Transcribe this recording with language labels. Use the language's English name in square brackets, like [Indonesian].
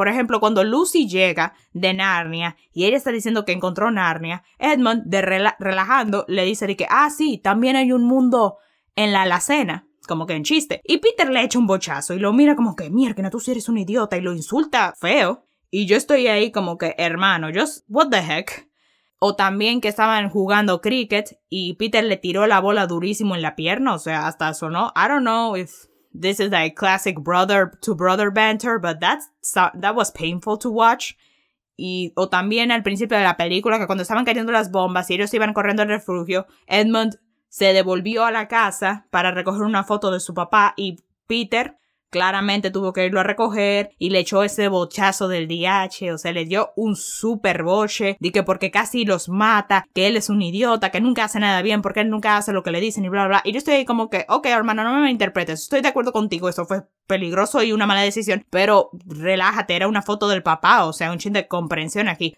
[Spanish] Por ejemplo, cuando Lucy llega de Narnia y ella está diciendo que encontró Narnia, Edmund, relajando, le dice de que, ah, sí, también hay un mundo en la alacena, como que en chiste. Y Peter le echa un bochazo y lo mira como que, mierda, tú sí eres un idiota, y lo insulta feo. Y yo estoy ahí como que, hermano, [English] what the heck? [Spanish] O también que estaban jugando cricket y Peter le tiró la bola durísimo en la pierna. O sea, hasta sonó. [English] I don't know if this is like classic brother to brother banter, but that was painful to watch. [Spanish] O también al principio de la película, que cuando estaban cayendo las bombas y ellos iban corriendo al refugio, Edmund se devolvió a la casa para recoger una foto de su papá y Peter claramente tuvo que irlo a recoger y le echó ese bochazo del DH, o sea, le dio un super boche, de que porque casi los mata, que él es un idiota, que nunca hace nada bien, porque él nunca hace lo que le dicen y bla, bla, bla. Y yo estoy ahí como que, ok, hermano, no me malinterpretes, estoy de acuerdo contigo, eso fue peligroso y una mala decisión, pero relájate, era una foto del papá, o sea, un chin de comprensión aquí.